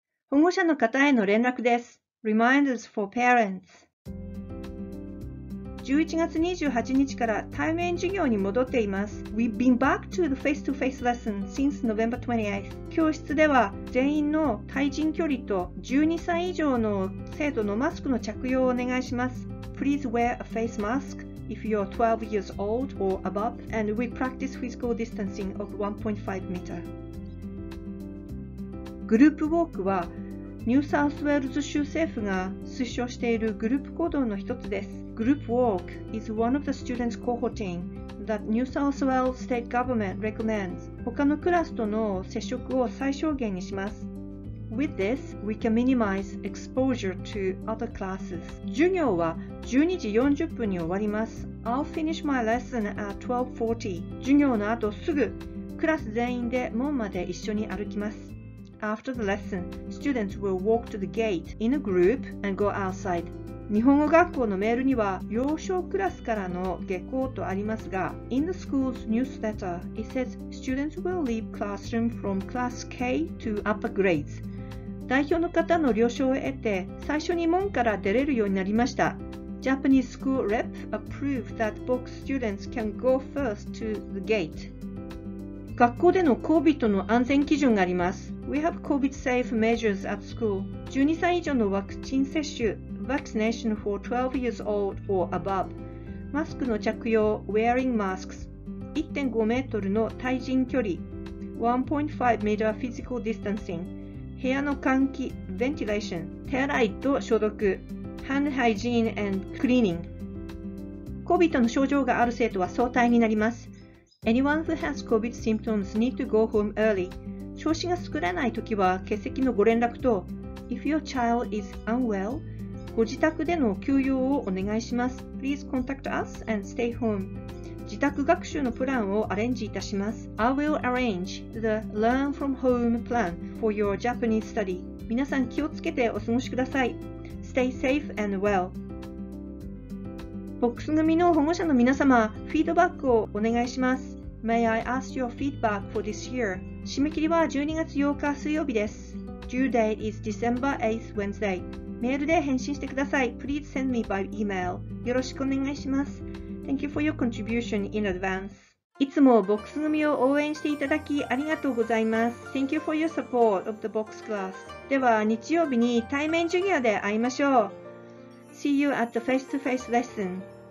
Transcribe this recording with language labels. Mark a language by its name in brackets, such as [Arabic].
[Japanese] 保護者の方への連絡です。 [English] Reminders for parents。 [Japanese] 11月28日から対面授業に戻っています。 [English] We've been back to the face-to-face lesson since November 28th。 [Japanese] 教室では全員の対人距離と12歳以上の生徒のマスクの着用をお願いします。 [English] Please wear a face mask if you're 12 years old or above and we practice physical distancing of 1.5 meter。 [Japanese] グループウォークはニューサウスウェールズ州政府が推奨しているグループ行動の一つです。 [English] Group walk is one of the students' cohorting that New South Wales State Government recommends. [Japanese] 他のクラスとの接触を最小限にします。 [English] With this, we can minimize exposure to other classes. [Japanese] 授業は12時40分に終わります。 [English] I'll finish my lesson at 12:40. [Japanese] 授業の後すぐ、クラス全員で門まで一緒に歩きます。 [English] After the lesson, students will walk to the gate in a group and go outside. [Japanese] 日本語学校のメールには幼少クラスからの下校とありますが、 [English] In the school's newsletter, it says students will leave classroom from class K to upper grades. [Japanese] 代表の方の了承を得て、最初に門から出れるようになりました。 [English] Japanese school rep approved that book students can go first to the gate. [Japanese] 学校での COVID の安全基準があります。 [English] We have COVID safe measures at school. [Japanese] 12歳以上のワクチン接種、 [English] Vaccination for 12 years old or above. [Japanese] マスクの着用、 [English] Wearing masks. [Japanese] 1.5 メートルの対人距離、 [English] 1.5 meter physical distancing. [Japanese] 部屋の換気、 [English] Ventilation. [Japanese] 手洗いと消毒、 [English] Hand hygiene and cleaning. [Japanese] COVID の症状がある生徒は早退になります。 [English] Anyone who has COVID symptoms need to go home early. [Japanese] 調子が作らないときは欠席のご連絡と、 [English] If your child is unwell, [Japanese] ご自宅での休養をお願いします。 [English] Please contact us and stay home. [Japanese] 自宅学習のプランをアレンジいたします。 [English] I will arrange the learn from home plan for your Japanese study. [Japanese] 皆さん気をつけてお過ごしください。 [English] Stay safe and well. [Japanese] ボックス組の保護者の皆様、フィードバックをお願いします。 [English] May I ask your feedback for this year? [Japanese] 締め切りは12月8日水曜日です。 [English] Due date is December 8th Wednesday. [Japanese] メールで返信してください。 [English] Please send me by email. [Japanese] よろしくお願いします。 [English] Thank you for your contribution in advance. [Japanese] いつもボックス組を応援していただきありがとうございます。 [English] Thank you for your support of the box class. [Japanese] では日曜日に対面授業で会いましょう。 [English] See you at the face-to-face lesson.